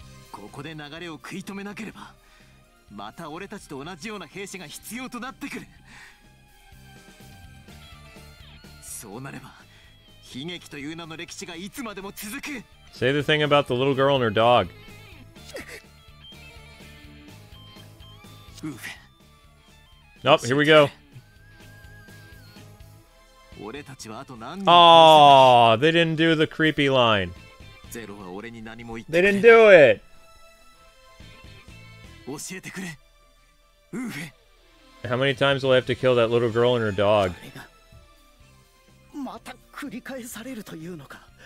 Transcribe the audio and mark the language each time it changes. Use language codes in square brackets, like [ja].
[ja] ここで流れを食い止めなければ、また俺たちと同じような兵士が必要となってくる。そうなれば、悲劇という名の歴史がいつまでも続く。 [en] Say the thing about the little girl and her dog. Oh, here we go. [ja] 俺たちはあと何人か。 [en] Oh, they didn't do the creepy line. [ja] ゼロは俺に何も言ってない。 [en] They didn't do it. [ja] 教えてくれ、ウーフェ。 [en] How many times will I have to kill that little girl and her dog? [ja] また繰り返されるというのか。